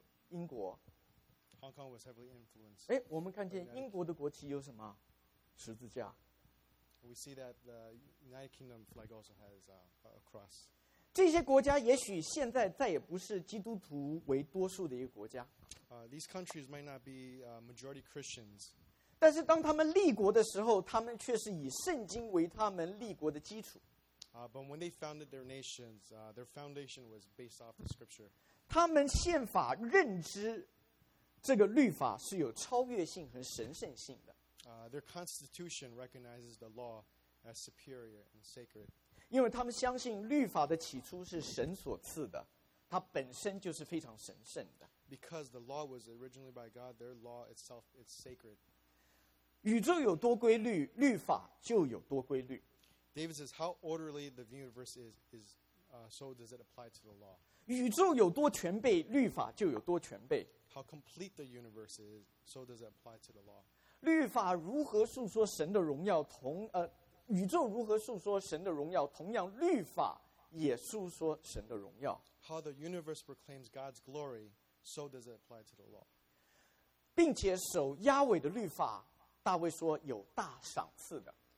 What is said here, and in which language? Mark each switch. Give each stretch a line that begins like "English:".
Chinese: 英国。
English: Hong Kong was heavily influenced.
Chinese: 哎，我们看见英国的国旗有什么？十字架。
English: We see that the United Kingdom flag also has a cross.
Chinese: 这些国家也许现在再也不是基督徒为多数的一个国家。
English: These countries might not be majority Christians.
Chinese: 但是当他们立国的时候，他们却是以圣经为他们立国的基础。
English: But when they founded their nations, their foundation was based off the scripture.
Chinese: 他们宪法认知这个律法是有超越性和神圣性的。
English: Their constitution recognizes the law as superior and sacred.
Chinese: 因为他们相信律法的起初是神所赐的，它本身就是非常神圣的。
English: Because the law was originally by God, their law itself is sacred.
Chinese: 宇宙有多规律，律法就有多规律。
English: David says, "How orderly the universe is, so does it apply to the law."
Chinese: 宇宙有多全备，律法就有多全备。
English: How complete the universe is, so does it apply to the law.
Chinese: 律法如何诉说神的荣耀？宇宙如何诉说神的荣耀？同样，律法也诉说神的荣耀。
English: How the universe proclaims God's glory, so does it apply to the law.
Chinese: 并且守亚伟的律法，大卫说有大赏赐的。